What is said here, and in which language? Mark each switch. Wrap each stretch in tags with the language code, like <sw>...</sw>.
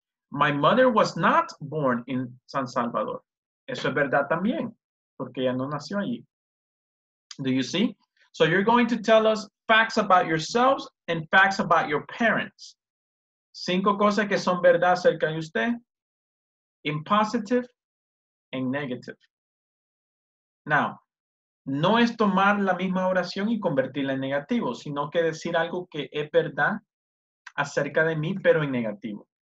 <en>My mother was not born in San Salvador.</en> <es>Eso es verdad también, porque ella no nació allí.</es> <en>Do you see? So, you're going to tell us facts about yourselves and facts about your parents.</en> <es>Cinco cosas que son verdad acerca de usted.</es> <en>In positive and negative.</en> <es>Now, no es tomar la misma oración y convertirla en negativo, sino que decir algo que es verdad acerca de mí, pero en negativo.</es>